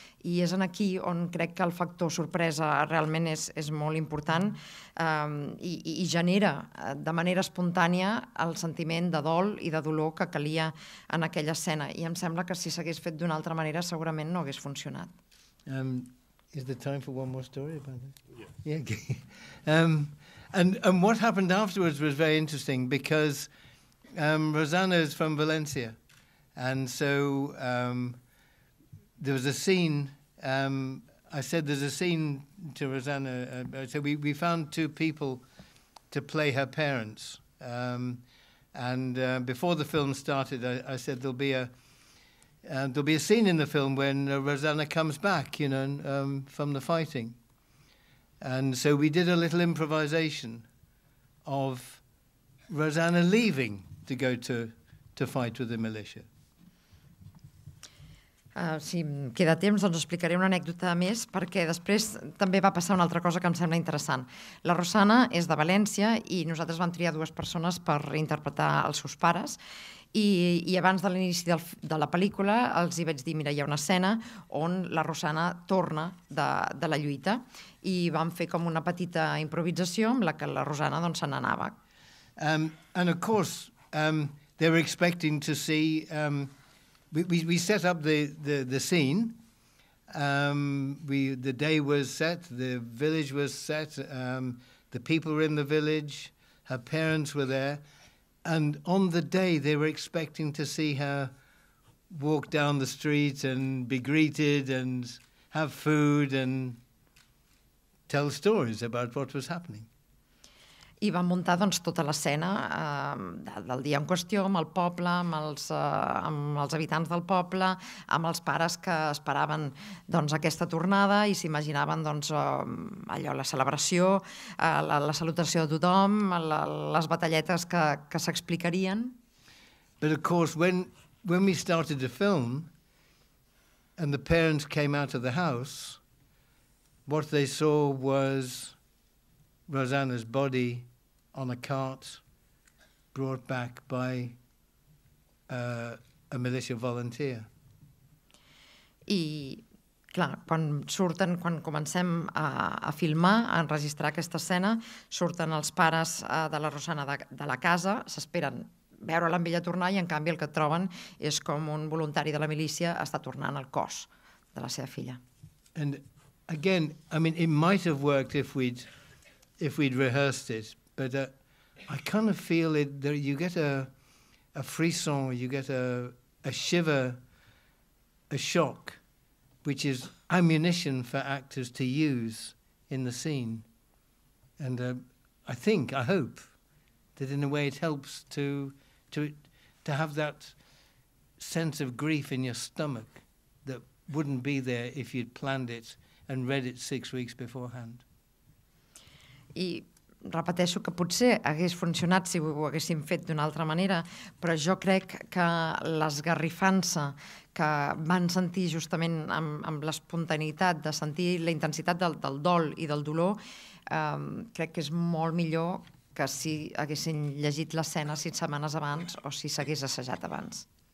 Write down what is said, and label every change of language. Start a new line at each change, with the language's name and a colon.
Catalan: I és aquí on crec que el factor sorpresa realment és molt important i genera de manera espontània el sentiment de dol i de dolor que calia en aquella escena. I em sembla que si s'hagués fet d'una altra manera segurament no hagués funcionat.
English: Is there time for one more story about that? Yeah. Yeah, okay. And what happened afterwards was very interesting because Rosanna is from Valencia. And so there was a scene, I said there's a scene to Rosanna. So we found two people to play her parents. And before the film started, I said there'll be a scene in the film when Rosanna comes back, you know, from the fighting. And so we did a little improvisation of Rosanna leaving to go to fight with the militia.
Catalan: Si queda temps, doncs explicaré una anècdota més, perquè després també va passar una altra cosa que em sembla interessant. La Rosanna és de València i nosaltres vam triar dues persones per interpretar els seus pares. I abans de l'inici de la pel·lícula els hi vaig dir, mira, hi ha una escena on la Rosanna torna de la lluita i vam fer com una petita improvisació amb la que la Rosanna doncs, se n'anava.
English: And of course, they were expecting to see... We set up the scene. The day was set, the village was set, the people were in the village, her parents were there. And on the day, they were expecting to see her walk down the street and be greeted and have food and tell stories about what was happening.
Catalan: I va muntar doncs, tota l'escena del dia en qüestió amb el poble, amb els habitants del poble, amb els pares que esperaven doncs, aquesta tornada i s'imaginaven doncs, allò la celebració, la salutació de tothom, les batalletes que s'explicarien.
English: But of course, when we started the film and the parents came out of the house, what they saw was Rosanna's body on a cart brought back by a militia volunteer.
Catalan: I, clar, quan comencem a filmar, a enregistrar aquesta escena, surten els pares de la Rosanna de la casa, s'esperen veure-la amb ella tornar i, en canvi, el que troben és com un voluntari de la milícia està tornant el cos de la seva filla.
English: And again, I mean, it might have worked if we'd rehearsed it, but I kind of feel it. There, you get a frisson, you get a shiver, a shock, which is ammunition for actors to use in the scene. And I hope that in a way it helps to have that sense of grief in your stomach that wouldn't be there if you'd planned it and read it 6 weeks beforehand.
Catalan: I repeteixo que potser hagués funcionat si ho haguéssim fet d'una altra manera, però jo crec que l'esgarrifança que van sentir justament amb l'espontaneïtat de sentir la intensitat del dol i del dolor, crec que és molt millor que si haguessin llegit l'escena 6 setmanes abans o si s'hagués assajat abans.